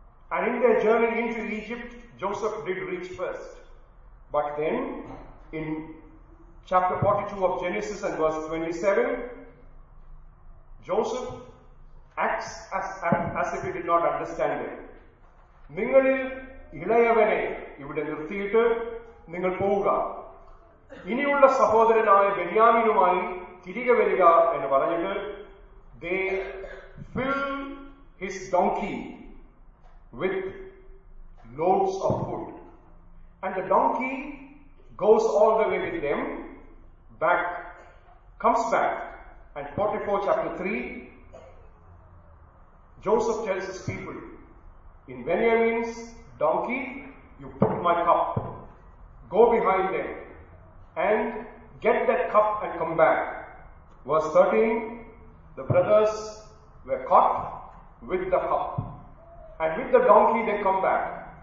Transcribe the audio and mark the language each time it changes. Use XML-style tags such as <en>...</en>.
<en>And in their journey into Egypt, Joseph did reach first. But then in chapter 42 of Genesis and verse 27, Joseph acts as if he did not understand it.</en> <ml>നിങ്ങളിൽ ഇളയവനെ ഇവിടെ നിർത്തിയിട്ട് നിങ്ങൾ പോവുക, ഇനിയുള്ള സഹോദരനായ ബെന്യാമീനുമായി തിരികെ വരിക എന്ന് പറഞ്ഞിട്ട്</ml> <en>they fill his donkey with loads of food, and the donkey goes all the way with them, back, comes back. And 44 chapter 3, Joseph tells his people, in Benjamin's donkey, you put my cup, go behind them, and get that cup and come back. Verse 13, the brothers were caught with the cup, and with the donkey they come back.</en>